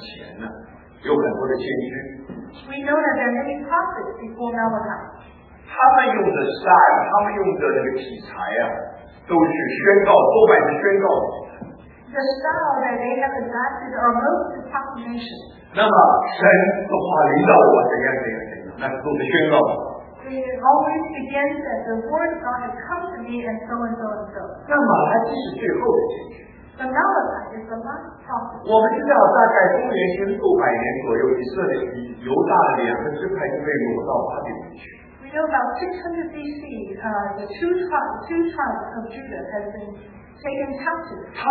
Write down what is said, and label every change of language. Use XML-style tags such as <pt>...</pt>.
<en>He used the same tone of words. We know that there are many prophets before Malachi.</en> <zh>他们用的 style， 他们用的那个题材啊，都是宣告，多半是宣告。</zh> <en>The style that they have adopted are most proclamations.</en> <zh>那么神的话领导我怎样怎样怎样，那是都是宣告。</zh> <en>It always begins that the word of God has come to me and so and so and so.</en> <zh>那马拉基是最后的结局。</zh> <en>The Malachi is the last prophet.</en> <zh>我们知道，大概公元前六百年左右，以色列与犹大两个支派就被掳到巴比伦去。</zh> <en>Until about 600 BC, the two tribes of Judah have been taken captive.</en>